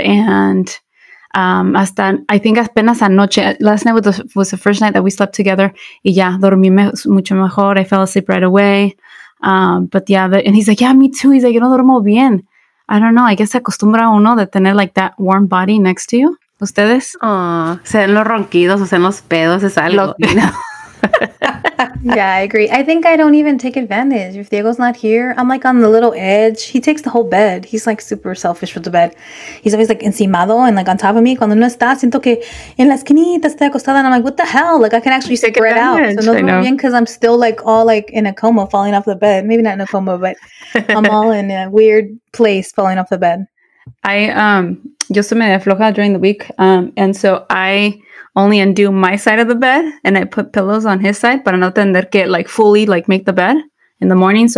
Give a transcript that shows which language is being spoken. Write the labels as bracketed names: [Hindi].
[English] And [Spanish] hasta, [English] I think [Spanish] apenas anoche, [English] last night was the first night that we slept together. [Spanish] Y ya, dormí mucho mejor. [English] I fell asleep right away. And he's like, yeah, me too. He's like, [Spanish] yo no duermo bien. [English] I don't know. I guess [Spanish] se acostumbra uno de tener [English] like that warm body next to you. [Spanish] ¿Ustedes? Oh, sean los ronquidos o sean los pedos, es algo. [English] Yeah, I agree. I think I don't even take advantage. If Diego's not here, I'm like on the little edge. He takes the whole bed. He's like super selfish with the bed. He's always like [Spanish] encimado [English] and like on top of me. [Spanish] Cuando no está, siento que en la esquinita está acostada. [English] And I'm like, what the hell? Like I can actually take spread out. So no problem because I'm still like all like in a coma falling off the bed. Maybe not in a coma, but I'm all in a weird place falling off the bed. I, [Spanish] yo se me afloja [English] during the week. And so I only undo my side of the bed and I put pillows on his side, but not then get like fully like make the bed in the morning.